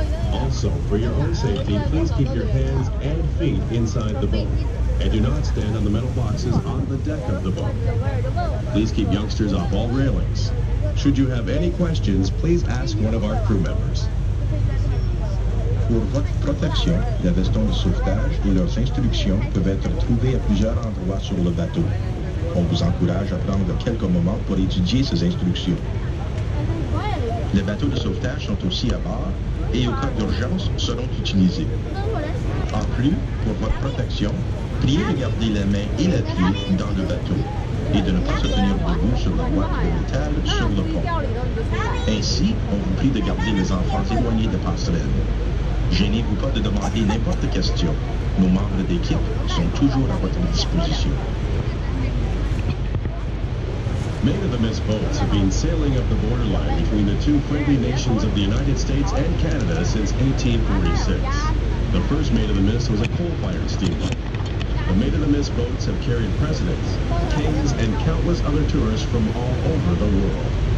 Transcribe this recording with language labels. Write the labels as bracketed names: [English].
[English] Also, for your own safety, please keep your hands and feet inside the boat. And do not stand on the metal boxes on the deck of the boat. Please keep youngsters off all railings. Should you have any questions, please ask one of our crew members. [French] Pour votre protection, les vestons de sauvetage et leurs instructions peuvent être trouvés à plusieurs endroits sur le bateau. On vous encourage à prendre quelques moments pour étudier ces instructions. Les bateaux de sauvetage sont aussi à bord et au cas d'urgence seront utilisés. En plus, pour votre protection, priez de garder les mains et les pieds dans le bateau et de ne pas se tenir debout sur la boîte de métal sur le pont. Ainsi, on vous prie de garder les enfants éloignés des passerelles. Gênez-vous pas de demander n'importe question. Nos membres d'équipe sont toujours à votre disposition. [English] Many of the missed boats have been sailing up the borderline between the two friendly nations of the United States and Canada since 1846. The first Maid of the Mist was a coal-fired steamboat. The Maid of the Mist boats have carried presidents, kings, and countless other tourists from all over the world.